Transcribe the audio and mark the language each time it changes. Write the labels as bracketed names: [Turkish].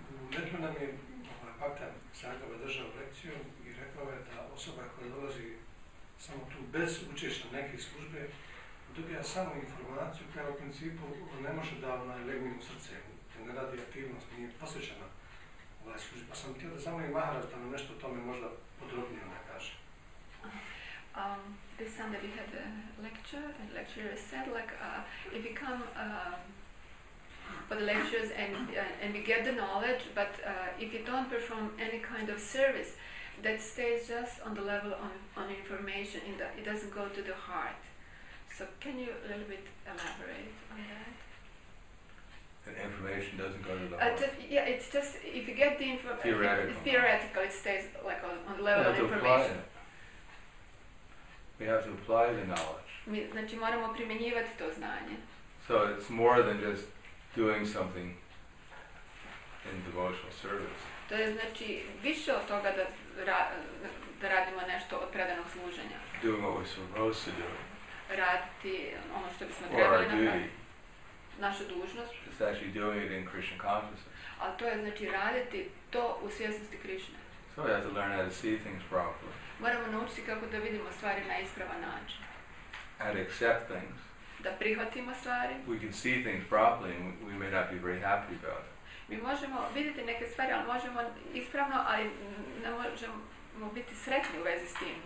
[Croatian] Nedavno nam je Bhaktan Sagava držao lekciju i rekao je da osoba koja dolazi samo tu bez učešća neke službe dobija samo informaciju koja u principu ne može da ona legne u srce, te ne radi aktivnost, nije posvećena ovaj službi. Pa sam htio da samo i Maharaj da nam nešto o tome možda podrobnije ne kaže. [English] This Sunday we had a lecture, and the lecturer said, like, if we come for the lectures and we get the knowledge, but if you don't perform any kind of service, that stays just on the level on information, in that it doesn't go to the heart. So can you a little bit elaborate on that? That information doesn't go to the heart. Yeah, it's just, if you get the information, it's theoretical, it stays like on the level of information. We have to apply the knowledge. [Croatian] Mi, znači, moramo primjenjivati to znanje. [English] So it's more than just doing something in devotional service. [Croatian] To je znači više od toga da da radimo nešto od predanog služenja. [English] Doing what we're supposed to do. [Croatian] Raditi ono što bismo trebali napraviti. Naša dužnost. [English] It's actually doing it in Krishna consciousness. [Croatian] Ali to je znači raditi to u svjesnosti Krishne. [English] So we have to learn how to see things properly. [Croatian] Moramo naučiti kako da vidimo stvari na ispravan način. [English] And accept things. [Croatian] Da prihvatimo stvari. [English] We can see things properly and we may not be very happy about it. [Croatian] Mi možemo vidjeti neke stvari, ali možemo ispravno, ali ne možemo biti sretni u vezi s tim.